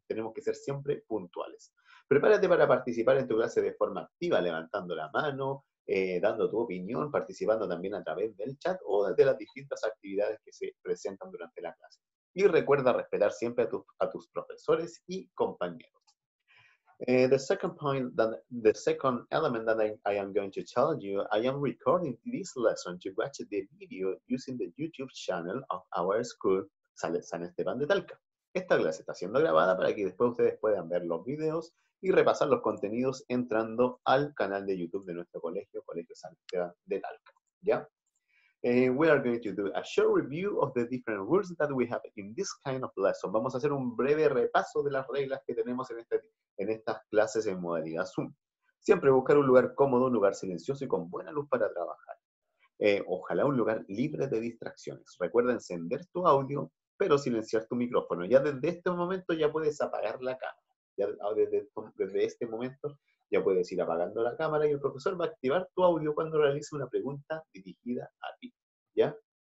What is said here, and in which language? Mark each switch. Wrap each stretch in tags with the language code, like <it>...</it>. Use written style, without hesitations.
<es>Tenemos que ser siempre puntuales. Prepárate para participar en tu clase de forma activa, levantando la mano, dando tu opinión, participando también a través del chat o de las distintas actividades que se presentan durante la clase. Y recuerda respetar siempre a tus profesores y compañeros.</es> <en>The second element that I am going to tell you, I am recording this lesson to watch the video using the YouTube channel of our school, San Esteban de Talca.</en> <es>Esta clase está siendo grabada para que después ustedes puedan ver los videos y repasar los contenidos entrando al canal de YouTube de nuestro colegio, Colegio San Esteban de Talca. ¿Ya?</es> <en>We are going to do a short review of the different rules that we have in this kind of lesson.</en> <es>Vamos a hacer un breve repaso de las reglas que tenemos en estas clases en modalidad Zoom. Siempre buscar un lugar cómodo, un lugar silencioso y con buena luz para trabajar. Ojalá un lugar libre de distracciones. Recuerda encender tu audio, pero silenciar tu micrófono. Ya desde este momento ya puedes apagar la cámara. Ya desde este momento ya puedes ir apagando la cámara y el profesor va a activar tu audio cuando realice una pregunta dirigida a ti, ¿ya?</es>